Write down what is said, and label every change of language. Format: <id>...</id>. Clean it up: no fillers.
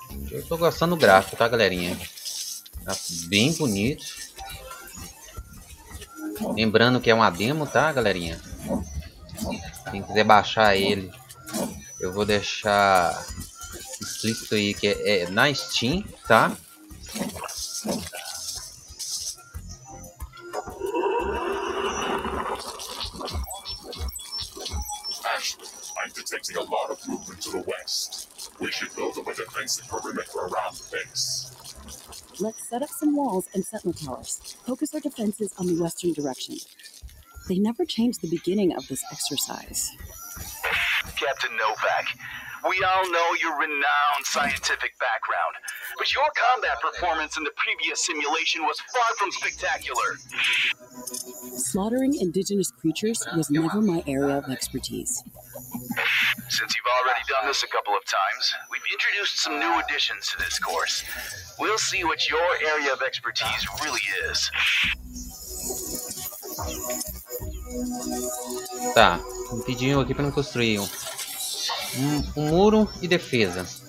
<pt>Eu tô gostando do gráfico, tá, galerinha? Tá bem bonito. Lembrando que é uma demo, tá, galerinha? Quem quiser baixar ele, eu vou deixar explícito aí que é na Steam, tá?</pt> <en>Ashley, I'm detecting a lot of movement to the west. We should build up a defensive perimeter around the base. Let's set up some walls and sentinel towers. Focus our defenses on the western direction. They never changed the beginning of this exercise. Captain Novak, we all know your renowned scientific background, but your combat performance in the previous simulation was far from spectacular. Slaughtering indigenous creatures was never my area of expertise. Since you've already done this a couple of times, we've introduced some new additions to this course. We'll see what your area of expertise really is.</en> <pt>Tá, um pedinho aqui pra não construir um muro e defesa.</pt>